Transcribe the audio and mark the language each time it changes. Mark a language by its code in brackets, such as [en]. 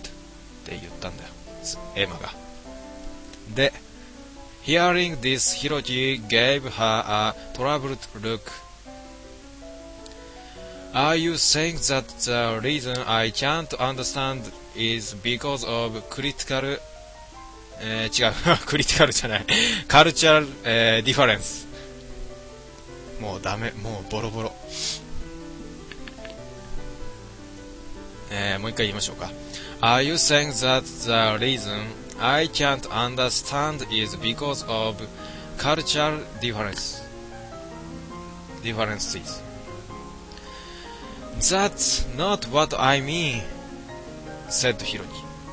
[ja] って言ったんだよ、エマが。 [en] で、hearing this, Hiroki gave her a troubled look. Are you saying that the reason I can't understand is because of critical? [ja] 違う。クリティカルじゃない。カルチャル、ディファレンス。もうダメ。もうボロボロ。もう一回言いましょうか。 [en] Are you saying that the reason I can't understand is because of cultural difference? Differences. That's not what I mean, said Hiroki.